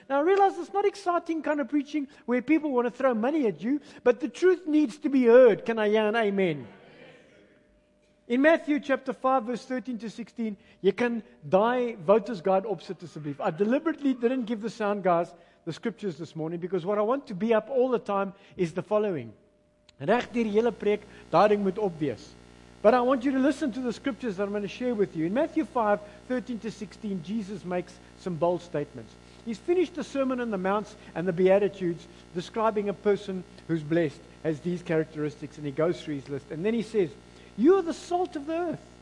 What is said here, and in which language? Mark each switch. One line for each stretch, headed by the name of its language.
English: Now, I realize it's not exciting kind of preaching where people want to throw money at you, but the truth needs to be heard. Can I hear an amen? In Matthew chapter 5, verse 13 to 16, you can die voters guide opposite to belief. I deliberately didn't give the sound guys the scriptures this morning, because what I want to be up all the time is the following.
Afrikaans: Reg deur die hele preek, daai ding moet op wees.
English: But I want you to listen to the scriptures that I'm going to share with you. In Matthew 5, 13 to 16, Jesus makes some bold statements. He's finished the Sermon on the Mount and the Beatitudes, describing a person who's blessed, has these characteristics, and he goes through his list. And then he says, you are the salt of the earth.